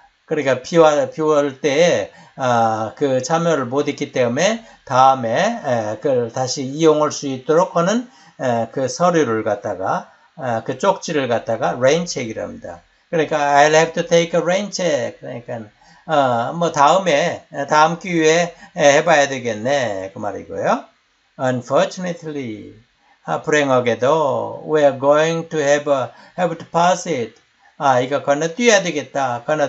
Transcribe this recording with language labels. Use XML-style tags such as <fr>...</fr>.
<ko>그러니까 비올 때에 그 참여를 못 했기 때문에 다음에 그걸 다시 이용할 수 있도록 하는 그 서류를 갖다가 그 쪽지를 갖다가 레인 체크라고 합니다. 그러니까</ko> <en>I'll have to take a rain check.</en> <ko>그러니까 뭐 다음 기회에 해봐야 되겠네 그 말이고요.</ko> <en>Unfortunately,</en> <ko>불행하게도</ko> <en>we're going to have to pass it.</en> <ko>아, 이거 건너뛰어야 되겠다.</ko>